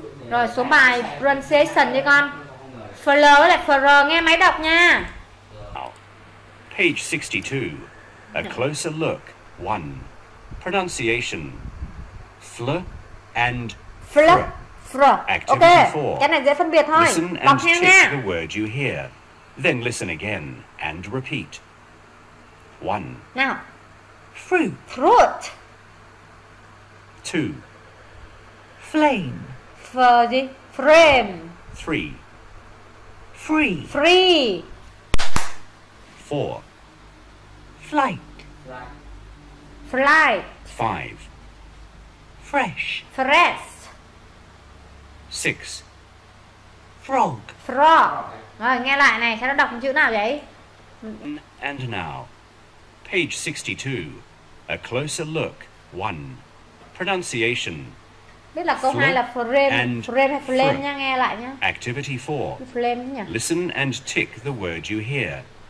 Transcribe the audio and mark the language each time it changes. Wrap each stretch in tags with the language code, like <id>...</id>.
<vi>Rồi số bài pronunciation đi con. Flow là flow, nghe máy đọc nha.</vi> <en>Page 62. A closer look. 1. Pronunciation. Fl and fr. Fr. Activity 4. Okay.</en> <vi>Cái này dễ phân biệt thôi.</vi> <en>Listen and check the word you hear. Then listen again and repeat. 1. Now. Fruit. Fruit. 2. Flame. Fuzzy. Frame. 3. Free. Free. 4. Flight. Flight. 5. Fresh. Fresh. 6. Frog. Frog.</en> <vi>Rồi, nghe lại này, sao nó đọc chữ nào vậy?</vi> <en>And now, page 62, a closer look. 1. Pronunciation.</en> <vi>Biết là câu 2 là frame, frame hay flame nha, nghe lại nhá.</vi> <en>Activity 4. Flame nhỉ. Listen and tick the word you hear.</en>